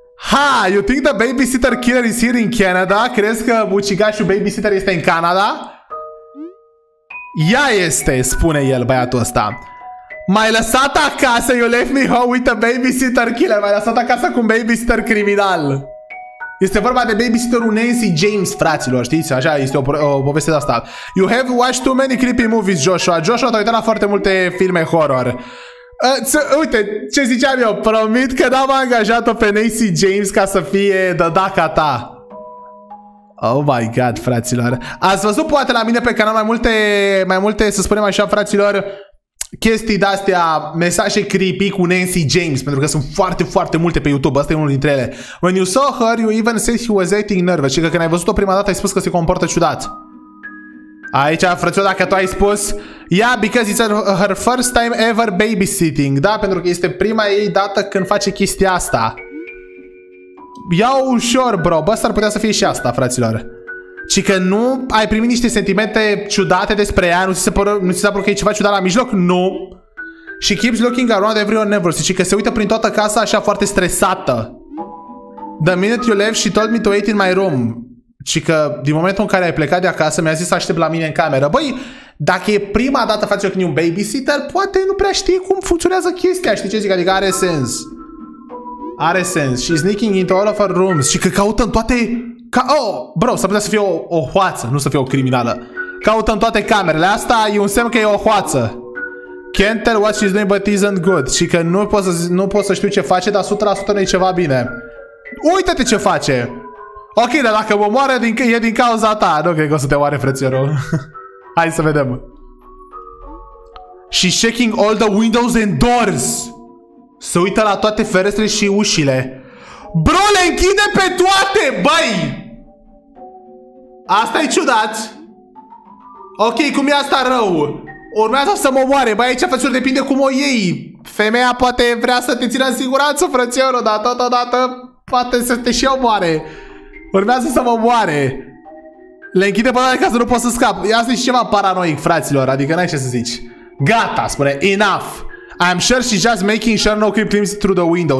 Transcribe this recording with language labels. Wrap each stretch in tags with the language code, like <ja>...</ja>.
<en>Ha, you think the babysitter killer is here in Canada?</en> <ro>Crezi că ucigașul babysitter este în Canada? Ea este, spune el, băiatul ăsta. M-ai lăsat acasă,</ro> <en>you left me home with a babysitter killer.</en> <ro>M-ai lăsat acasă cu un babysitter criminal. Este vorba de babysitterul Nancy James, fraților, știți? Așa, este o poveste de asta.</ro> <en>You have watched too many creepy movies, Joshua.</en> <ro>Joshua, te-ai uitat la foarte multe filme horror. Uite, ce ziceam eu, promit că n-am angajat-o pe Nancy James ca să fie dădaca ta.</ro> <en>Oh my god,</en> <ro>fraților. Ați văzut poate la mine pe canal mai multe, să spunem așa, fraților, chestii de-astea, mesaje creepy cu Nancy James, pentru că sunt foarte, foarte multe pe YouTube, asta e unul dintre ele.</ro> <en>When you saw her, you even said she was acting nervous.</en> <ro>Și că când ai văzut-o prima dată, ai spus că se comportă ciudat. Aici, frățiu, dacă tu ai spus,</ro> <en>yeah, because it's her first time ever babysitting.</en> <ro>Da, pentru că este prima ei dată când face chestia asta. Ia-o ușor, bro, bă, s-ar putea să fie și asta, fraților. Ci că nu ai primit niște sentimente ciudate despre ea, nu ți se pare că e ceva ciudat la mijloc? Nu.</ro> <en>She keeps looking around everyone nervous.</en> <ro>Și că se uită prin toată casa așa foarte stresată.</ro> <en>The minute you left, she told me to wait in my room.</en> <ro>Ci că din momentul în care ai plecat de acasă, mi-a zis să aștept la mine în cameră. Băi, dacă e prima dată face când e un babysitter, poate nu prea știi cum funcționează chestia, știi ce zic? Adică are sens. Are sens.</ro> <en>She's sneaking into all of her rooms.</en> <ro>Și că caută în toate... Oh, bro, s-ar putea să fie o hoață, nu să fie o criminală. Caută în toate camerele. Asta e un semn că e o hoață.</ro> <en>Can't tell what she's doing, but isn't good.</en> <ro>Și că nu pot să știu ce face, dar 100% nu-i ceva bine. Uită-te ce face! Ok, dar dacă mă moare, e din cauza ta. Nu cred că o să te moare, frățiorul. Hai să vedem.</ro> <en>She's shaking all the windows and doors.</en> <ro>Se uită la toate ferestrele și ușile. Bro, le închide pe toate, băi! Asta e ciudat. Ok, cum e asta rău? Urmează să mă moare. Băi, aici, frățiorul, depinde cum o iei. Femeia poate vrea să te țină în siguranță, frățiorul, dar totodată poate să te și omoare. Urmează să mă moare. Le închide pe toate ca să nu pot să scap. Asta e și ceva paranoic, fraților, adică n-ai ce să zici. Gata, spune,</ro> <en>enough. I'm sure she's just making sure no creep climbs through the window.</en>